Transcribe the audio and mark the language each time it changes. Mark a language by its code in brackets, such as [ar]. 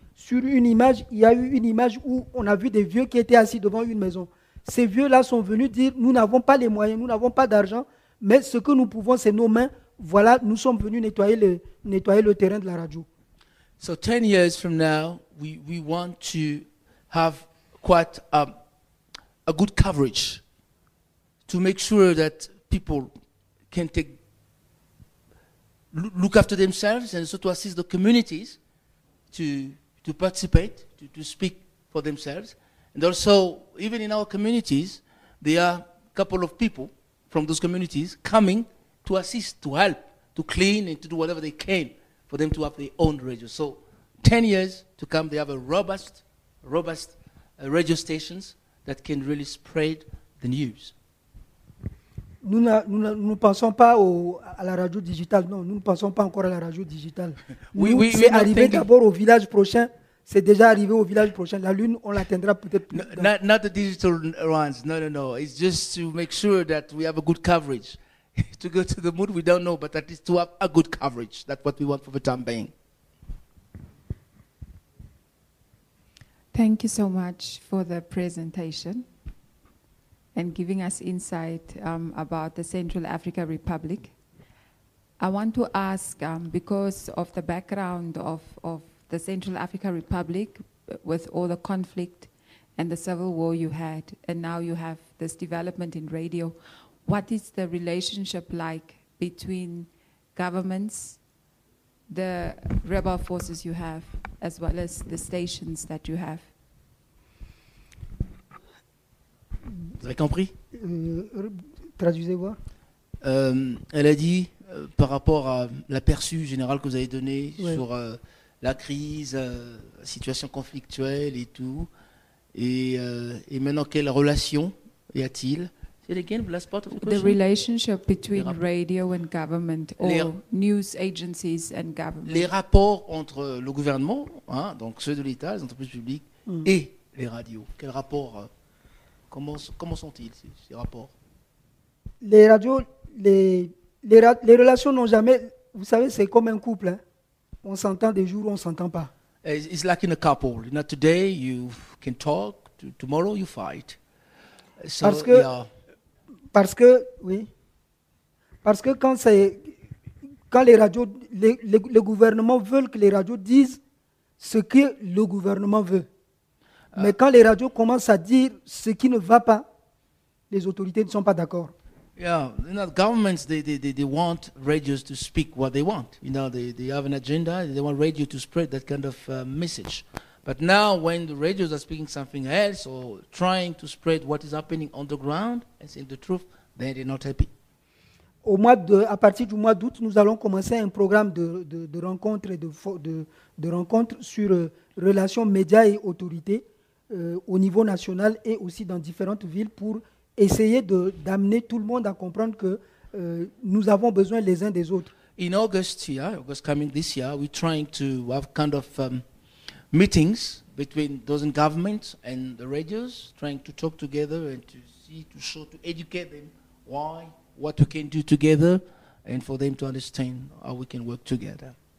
[fr] Il y a eu une image où on a vu des vieux qui étaient assis devant une maison. Ces vieux-là sont venus dire, nous n'avons pas les moyens, nous n'avons pas d'argent, mais ce que nous pouvons, c'est nos mains. Voilà, nous sommes venus nettoyer le terrain de la radio. [en] So 10 years from now, we want to have quite a good coverage to make sure that people can look after themselves and also to assist the communities to participate, to speak for themselves. And also, even in our communities, there are a couple of people from those communities coming to assist, to help, to clean and to do whatever they can for them to have their own radio. So 10 years to come, they have a robust radio stations that can really spread the news. [fr] Nous ne pensons pas à la radio digitale. Non, nous ne pensons pas encore à la radio digitale. Nous arriver d'abord au village prochain. C'est déjà arrivé au village prochain. La lune, on l'atteindra peut-être plus tard. [en] Not the digital ones. No. It's just to make sure that we have a good coverage. To go to the moon, we don't know, but at least to have a good coverage. That's what we want for the time being. Thank you so much for the presentation and giving us insight about the Central Africa Republic. I want to ask, because of the background of the Central Africa Republic, with all the conflict and the civil war you had, and now you have this development in radio, what is the relationship like between governments the rebel forces you have, as well as the stations that you have. [fr] Vous avez compris? Traduisez voir. Elle a dit par rapport à l'aperçu général que vous avez donné ouais. sur la crise, la situation conflictuelle et tout. Et maintenant, quelle relation y a-t-il? [en] Say it again, the last part of the question. The relationship between radio and government, or news agencies and government. [fr] Les rapports entre le gouvernement, hein, donc ceux de l'État, les entreprises publiques, et les radios. Quel rapport comment sont-ils, ces rapports? Les radios, les relations n'ont jamais... Vous savez, c'est comme un couple. Hein. On s'entend des jours où on ne s'entend pas. [en] It's like in a couple. Not today, you can talk. Tomorrow, you fight. [fr] So, parce que, oui, parce que quand les radios, le gouvernement veut que les radios disent ce que le gouvernement veut. Mais quand les radios commencent à dire ce qui ne va pas, les autorités ne sont pas d'accord. [en] Yeah, you know, governments, they want radios to speak what they want. You know, they have an agenda, they want radio to spread that kind of message. But now when the radios are speaking something else or trying to spread what is happening on the ground and saying the truth, then they're not happy. [fr] À partir du mois d'août, nous allons commencer un programme de rencontres de rencontre sur relations médias et autorités au niveau national et aussi dans différentes villes pour essayer d'amener tout le monde à comprendre que nous avons besoin les uns des autres. [en] In August, yeah, August coming this year, we're trying to have kind of meetings between those in government and the radios, trying to talk together and to see, to show, to educate them why, what we can do together, and for them to understand how we can work together.